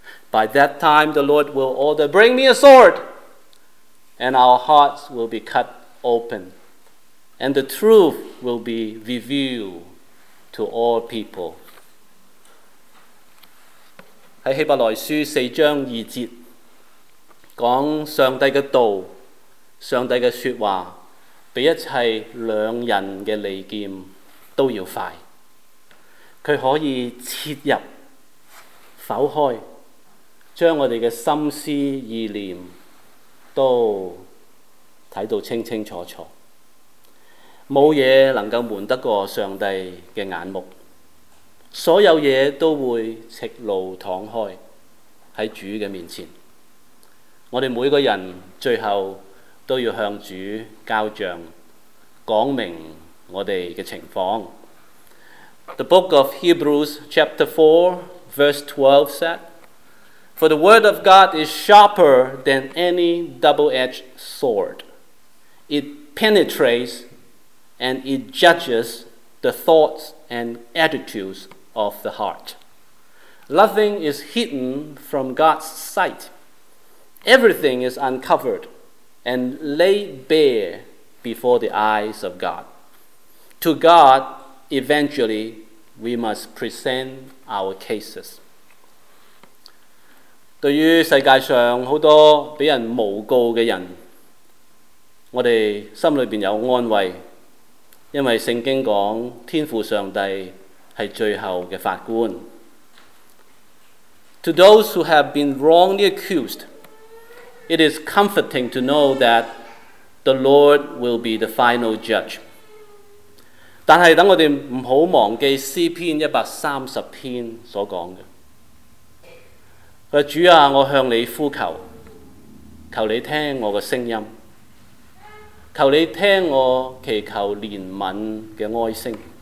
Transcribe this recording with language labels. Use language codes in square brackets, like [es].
[en] By that time, the Lord will order, Bring me a sword, and our hearts will be cut open, and the truth will be revealed to all people. [zh] 在希伯来书四章二节，讲上帝的道，上帝的说话，比一切两人的利剑都要快。他可以切入、剖开，将我们的心思意念都看到清清楚楚。没有东西能够瞒得过上帝的眼目，所有东西都会赤露敞开在主的面前。我们每个人最后都要向主交账，讲明我们的情况。 [en] The book of Hebrews chapter 4 verse 12 said, For the word of God is sharper than any double-edged sword. It penetrates and it judges the thoughts and attitudes of the heart. Nothing is hidden from God's sight. Everything is uncovered and laid bare before the eyes of God. To God, eventually,We must present our cases. [zh] 对于世界上很多被人诬告的人，我们心里面有安慰，因为圣经说天父上帝是最后的法官。 [en] To those who have been wrongly accused, it is comforting to know that the Lord will be the final judge. [zh] 但是等我们不要忘记诗篇130篇所讲的。说主啊，我向你呼求，求你听我的声音，求你听我祈求怜悯的哀声。